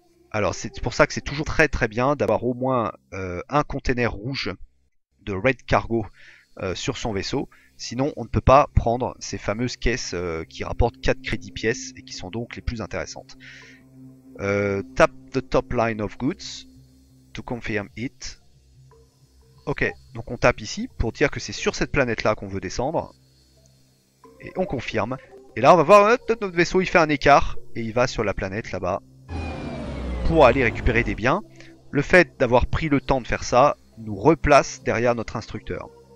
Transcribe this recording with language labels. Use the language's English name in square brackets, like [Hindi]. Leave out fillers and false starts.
[French] Alors, c'est pour ça que c'est toujours très très bien d'avoir au moins un conteneur rouge de Red Cargo sur son vaisseau. Sinon, on ne peut pas prendre ces fameuses caisses qui rapportent 4 crédits pièces et qui sont donc les plus intéressantes. [English] Tap the top line of goods to confirm it. [French] Ok, donc on tape ici pour dire que c'est sur cette planète-là qu'on veut descendre. Et on confirme. Et là, on va voir notre vaisseau, il fait un écart et il va sur la planète là-bas pour aller récupérer des biens. Le fait d'avoir pris le temps de faire ça nous replace derrière notre instructeur.